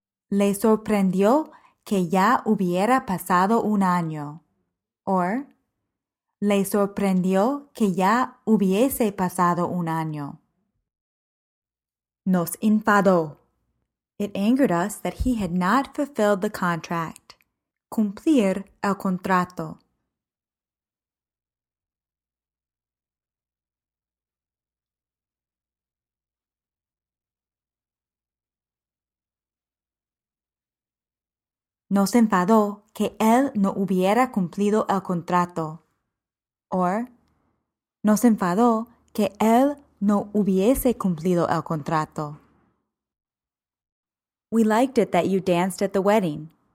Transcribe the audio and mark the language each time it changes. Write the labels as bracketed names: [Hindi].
[Spanish] Le sorprendió que ya hubiera pasado un año. Or, le sorprendió que ya hubiese pasado un año. Nos enfadó. [English] It angered us that he had not fulfilled the contract. [Spanish] Cumplir el contrato. Nos enfadó que él no hubiera cumplido el contrato. Or, nos enfadó que él no hubiese cumplido el contrato. [English] We liked it that you danced at the wedding.